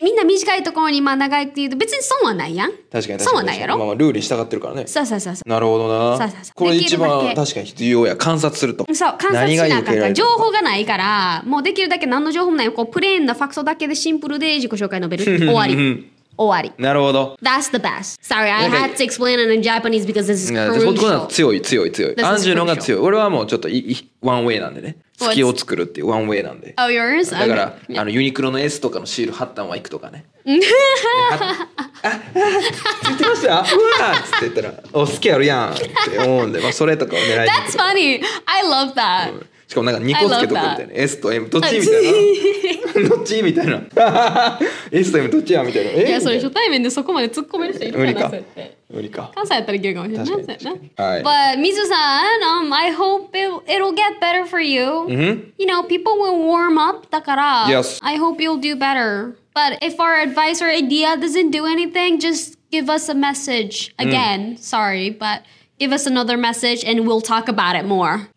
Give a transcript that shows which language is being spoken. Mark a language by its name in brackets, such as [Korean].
[Japanese] みんな短いところにまあ長いって言うと別に損はないやん。確かに損はないやろ。まあ、ルールに従ってるからね。そうそうそうそう。なるほどな。そうそうそう。これ一番確かに必要や。観察すると。そう、観察しなかった。情報がないから、もうできるだけ何の情報もない。こうプレーンなファクトだけでシンプルで自己紹介述べる。終わり。終わり。なるほど。 [English] That's the best. Sorry, I had to explain it in Japanese because this is crucial. [Japanese] いや、そこは強い、強い、強い。アンジュの方が強い。俺はもうちょっとワンウェイなんでね。好きを作るっていうワンウェイなんで。 [English] Oh, yours? [Japanese] だから、okay. あの、ユニクロの S とかのシール貼ったんは行くとかね。言ってました？うわーって言ったら、お、好きあるやんって思うんで、まあ、それとかを狙いに行 [English] く。That's funny! I love that!、う [Japanese] ん、しかもなんか2個つけとくみたいな。S と M、どっちみたいな。どっちみたいな。 S と M、どっちやみたいな。いや、それ初対面でそこまで突っ込める人いるから。無理か。関西やったらいけるかもしれない。 [English] But Mizu san, I hope it'll get better for you.、 Mm-hmm. You know, people will warm up, [Japanese] だから、 [English] yes. I hope you'll do better. But if our advice or idea doesn't do anything, just give us a message again.、Mm. Sorry, but give us another message and we'll talk about it more.